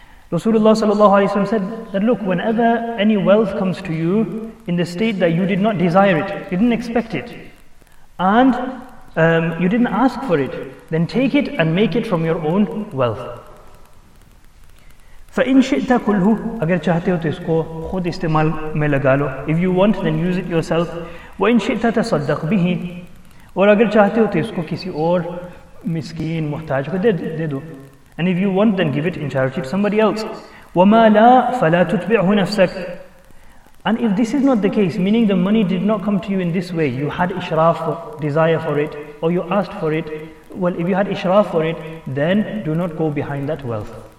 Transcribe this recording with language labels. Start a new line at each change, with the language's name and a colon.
English: Rasulullah sallallahu alayhi wa sallam said that, look, whenever any wealth comes to you in the state that you did not desire it, you didn't expect it, and you didn't ask for it, then take it and make it from your own wealth.
Arabic: فَإِن شِئْتَ كُلْهُ,
Urdu: اگر چاہتے ہو تو اس کو خود استعمال میں لگا لو.
English: If you want, then use it yourself.
Arabic: وَإِن شِئْتَ تَصَدَّقْ بِهِ,
Urdu: اور اگر چاہتے ہو تو اس کو کسی اور مسکین محتاج کو دے دو.
English: And if you want, then give it in charity to somebody else.
Arabic: وَمَا لَا فَلَا تُتْبِعْهُ نَفْسَكَ.
English: And if this is not the case, meaning the money did not come to you in this way, you had israf, desire for it, or you asked for it, well, if you had israf for it, then do not go behind that wealth.